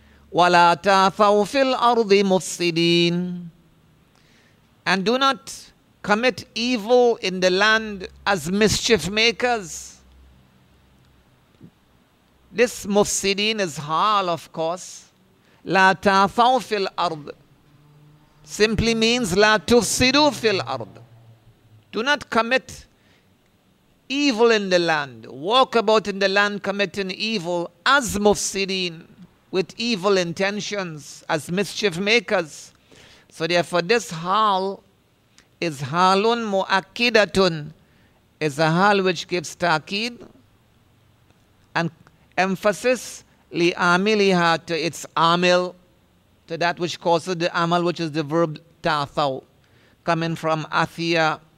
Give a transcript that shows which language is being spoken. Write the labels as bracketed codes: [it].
[ar] وَلَا تَعْثَوْ فِي الْأَرْضِ مُفْسِدِينَ, [en] and do not commit evil in the land as mischief makers. This mufsidin is hal, of course. [ar] لَا تَعْثَوْ فِي الْأَرْضِ [en] simply means [ar] لَا تُفْسِدُوا فِي الْأَرْضِ. [en] Do not commit evil in the land. Walk about in the land committing evil as mufsideen, with evil intentions, as mischief makers. So therefore this hal is halun mu'akkidatun, is a hal which gives ta'kid and emphasis li amiliha, to its amil, to that which causes the amal, which is the verb ta'thaw, coming from athiya.